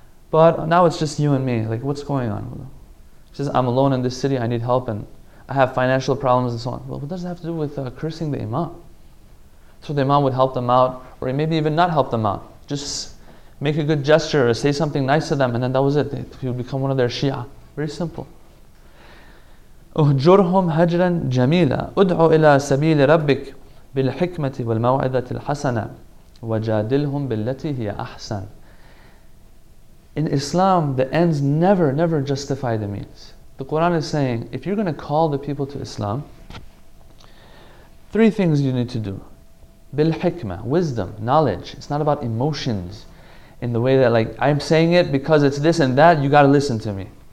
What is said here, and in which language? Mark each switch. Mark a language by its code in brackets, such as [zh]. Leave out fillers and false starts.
[en] But now it's just you and me. Like, what's going on? He says, I'm alone in this city, I need help, and I have financial problems and so on. Well, what does it have to do with cursing the imam? So the imam would help them out, or maybe even not help them out. Just make a good gesture or say something nice to them, and then that was it. He would become one of their Shia. Very simple. [ar] اهجرهم هجرا جميلا ادعو الى سبيل ربك بالحكمه والموعظه الحسنه وجادلهم بالتي هي احسن. [en] In Islam, the ends never justify the means. The Quran is saying, if you're going to call the people to Islam, three things you need to do. بالحكمه, wisdom, knowledge. It's not about emotions in the way that, like, I'm saying it because it's this and that, you got to listen to me.